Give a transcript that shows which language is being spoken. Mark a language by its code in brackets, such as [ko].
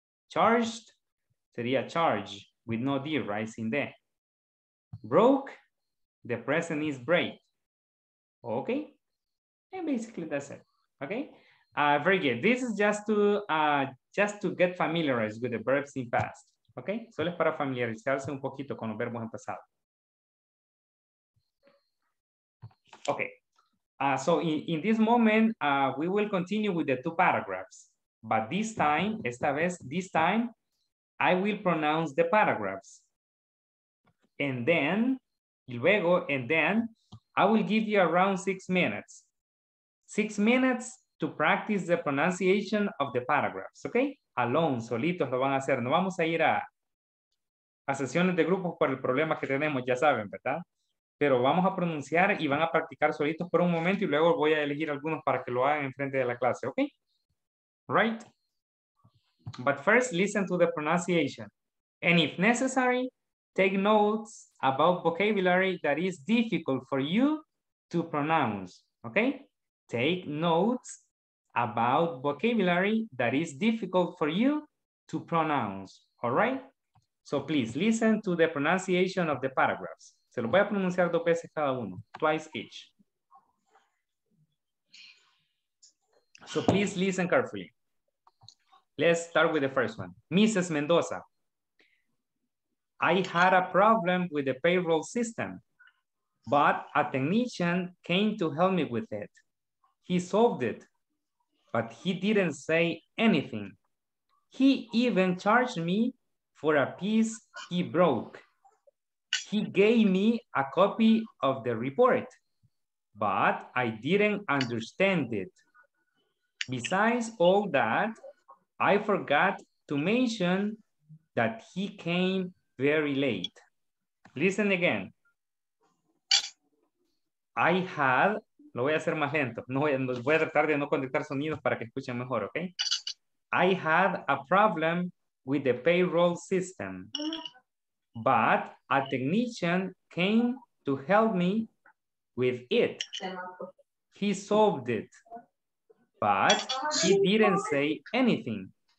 [en] Charged, sería charge, with no D, right, [es] sin D. [en] Broke, the present is break. Okay, and basically that's it, okay? Very good, this is just to get familiarized with the verbs in past, okay? [es] Solo es para familiarizarse un poquito con los verbos en pasado. [en] Okay. So in this moment, we will continue with the two paragraphs. But this time, this time, I will pronounce the paragraphs. And then, I will give you around 6 minutes. 6 minutes to practice the pronunciation of the paragraphs, okay? Alone, [es] solitos lo van a hacer. No vamos a ir a sesiones de grupos por el problema que tenemos, ya saben, ¿verdad? Pero vamos a pronunciar y van a practicar solitos por un momento y luego voy a elegir algunos para que lo hagan en frente de la clase, ¿ok? [en] Right? But first, listen to the pronunciation. And if necessary, take notes about vocabulary that is difficult for you to pronounce, ¿ok? Take notes about vocabulary that is difficult for you to pronounce, all right? So please, listen to the pronunciation of the paragraphs. [es] Se lo voy a pronunciar dos veces cada uno, [en] twice each. So please listen carefully. Let's start with the first one. Mrs. Mendoza. I had a problem with the payroll system, but a technician came to help me with it. He solved it, but he didn't say anything. He even charged me for a piece he broke. He gave me a copy of the report, but I didn't understand it. Besides all that, I forgot to mention that he came very late. Listen again. I had, [es] lo voy a hacer más lento. No, voy a tratar de no conectar sonidos para que escuchen mejor, okay? [en] I had a problem with the payroll system. But a technician came to help me with it. He solved it, but he didn't say anything.